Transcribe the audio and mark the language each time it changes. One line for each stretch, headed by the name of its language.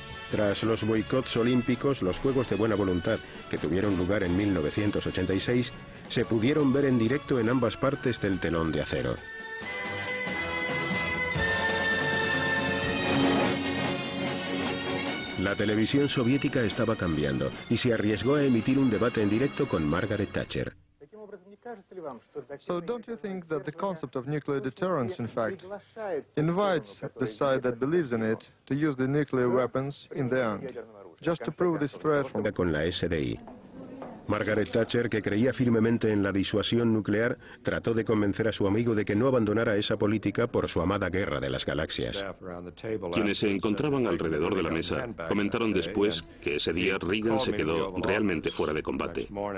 Spanish: Tras los boicots olímpicos, los Juegos de Buena Voluntad, que tuvieron lugar en 1986, se pudieron ver en directo en ambas partes del telón de acero. La televisión soviética estaba cambiando y se arriesgó a emitir un debate en directo con Margaret Thatcher.
English: So don't you think that the concept of nuclear deterrence, in fact, invites the side that believes in it to use the nuclear weapons in the end, just to prove this threat from...
Spanish: con la SDI. Margaret Thatcher, que creía firmemente en la disuasión nuclear, trató de convencer a su amigo de que no abandonara esa política por su amada Guerra de las Galaxias. Quienes se encontraban alrededor de la mesa comentaron después que ese día Reagan se quedó realmente fuera de combate.